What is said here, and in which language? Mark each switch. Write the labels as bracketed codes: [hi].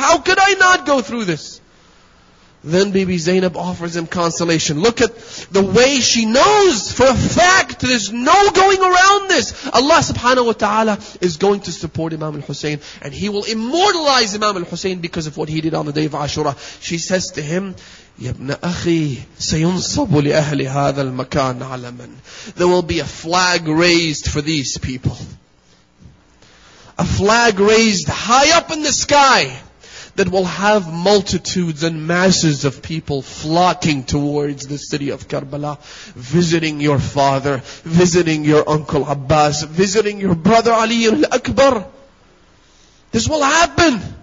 [en] How could I not go through this? Then Bibi Zainab offers him consolation. Look at the way she knows for a fact there's no going around this. Allah subhanahu wa ta'ala is going to support Imam al-Hussein, and he will immortalize Imam al-Hussein because of what he did on the day of Ashura. She says to him, [ar] يَبْنَ أَخِي سَيُنْصَبُ لِأَهْلِ هَذَا الْمَكَانِ عَلَمًا. [en] There will be a flag raised for these people. A flag raised high up in the sky that will have multitudes and masses of people flocking towards the city of Karbala, visiting your father, visiting your uncle Abbas, visiting your brother Ali al-Akbar. This will happen.